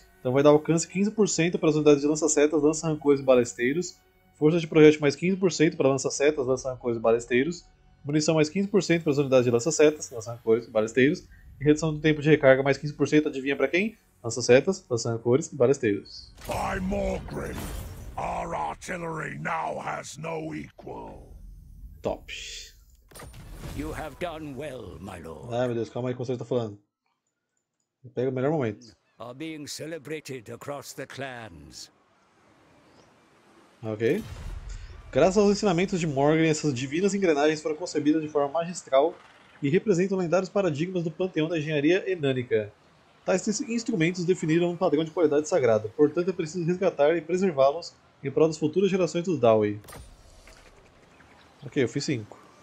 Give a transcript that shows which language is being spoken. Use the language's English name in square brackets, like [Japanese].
[Portuguese] Então vai dar alcance 15% para as unidades de lança-setas, lança-rancores e balesteiros. Força de projétil mais 15% para lança-setas, lança-rancores e balesteiros. Munição mais 15% para as unidades de lança-setas, lança-rancores e balesteiros. E redução do tempo de recarga mais 15%, adivinha para quem? Lança-setas, lança-rancores e balesteiros. [English] By Morgrim, our artillery now has no equal. [Portuguese] Top. [English] You have done well, my lord. [Portuguese] Ai, meu Deus, calma aí que você está falando. Pega o melhor momento. [English] Are being celebrated across the clans. [Portuguese] Ok. Graças aos ensinamentos de Morgrim, essas divinas engrenagens foram concebidas de forma magistral e representam lendários paradigmas do panteão da engenharia enânica. Tais instrumentos definiram um padrão de qualidade sagrado, portanto é preciso resgatar e preservá-los em prol das futuras gerações dos Dawi. Ok, eu fiz 5.